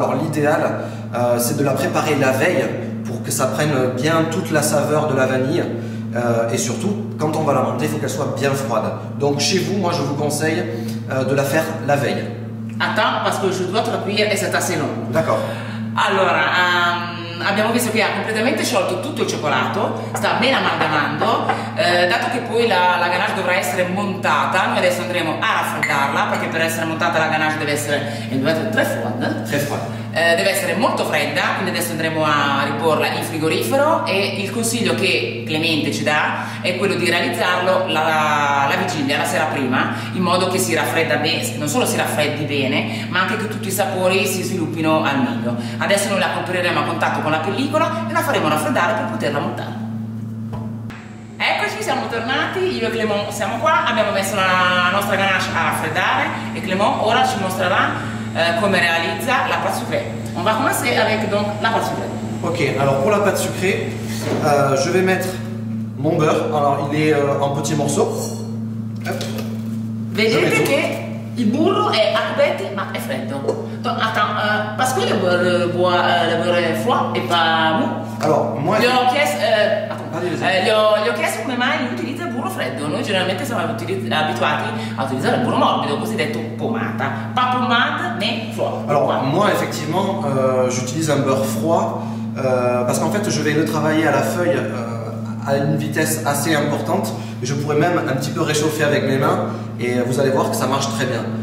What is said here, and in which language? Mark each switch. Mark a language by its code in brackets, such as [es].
[fr] Alors l'idéal, c'est de la préparer la veille pour que ça prenne bien toute la saveur de la vanille. Et surtout, quand on va la monter, il faut qu'elle soit bien froide. Donc chez vous, moi, je vous conseille de la faire la veille. Attends, parce que je dois te la cuire et c'est assez long. D'accord. [it] Allora, abbiamo visto che ha completamente sciolto tutto il cioccolato, sta ben amalgamando, dato che poi la ganache dovrà essere montata, noi adesso andremo a raffreddarla, perché per essere montata la ganache deve essere in due metri, tre fond, deve essere molto fredda, quindi adesso andremo a riporla in frigorifero e il consiglio che Clemente ci dà è quello di realizzarlo la vigilia, la sera prima, in modo che si raffredda bene, non solo si raffreddi bene, ma anche che tutti i sapori si sviluppino al meglio. Adesso noi la copriremo a contatto con la pellicola e la faremo raffreddare per poterla montare. Eccoci, siamo tornati, io e Clemont siamo qua, abbiamo messo la nostra ganache a raffreddare e Clemont ora ci mostrerà [fr] comment réalise la pâte sucrée. On va commencer avec donc la pâte sucrée. Ok, alors pour la pâte sucrée, je vais mettre mon beurre. Alors il est en petits morceaux. [it] Vedete che il burro è a cubetti ma è freddo. [fr] Attends, parce que le beurre è froid et pas mou. Alors moi, [it] gli ho chiesto come mai lui utilizza il burro freddo. Noi generalmente siamo abituati a utilizzare il burro morbido, cosiddetto pomata. [fr] Pas pomade, mais froid. Alors moi effectivement j'utilise un beurre froid parce qu'en fait je vais le travailler à la feuille à une vitesse assez importante. Je pourrais même un petit peu réchauffer avec mes mains et vous allez voir que ça marche très bien.